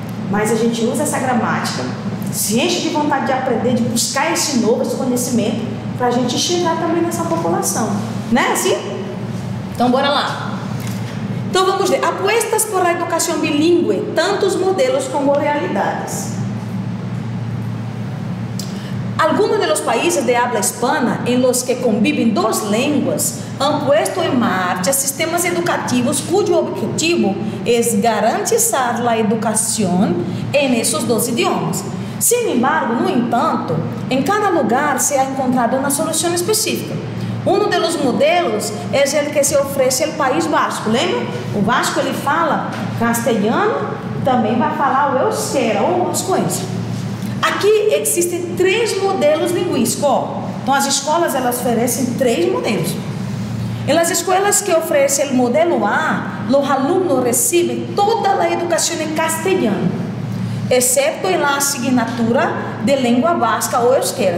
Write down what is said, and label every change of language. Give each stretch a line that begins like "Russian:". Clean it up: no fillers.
Portuguese: Mas a gente usa essa gramática, se enche de vontade de aprender, de buscar esse novo, esse conhecimento, para a gente chegar também nessa população. Né, assim? Então, bora lá. Então vamos ver,
Spanish: apuestas por
Portuguese: a educação bilíngue, tanto os modelos como realidades.
Spanish: Alguns de los países de habla hispana, em los que conviven dos lenguas, han puesto en marcha sistemas educativos cujo objetivo es garantizar la educación en esos dos idiomas. Sin embargo,
Portuguese: no entanto,
Spanish: en cada lugar se ha encontrado una solución específica.
Portuguese: Um dos modelos é o que se oferece no País Vasco, lembra? O Vasco, ele fala castelhano, também vai falar o euskera, ou algumas coisas. Aqui existem três modelos linguísticos. Então, as escolas, elas oferecem três modelos. Nas escolas que oferecem o modelo A, os alunos recebem toda a educação em castelhano, exceto na assignatura de língua vasca ou euskera.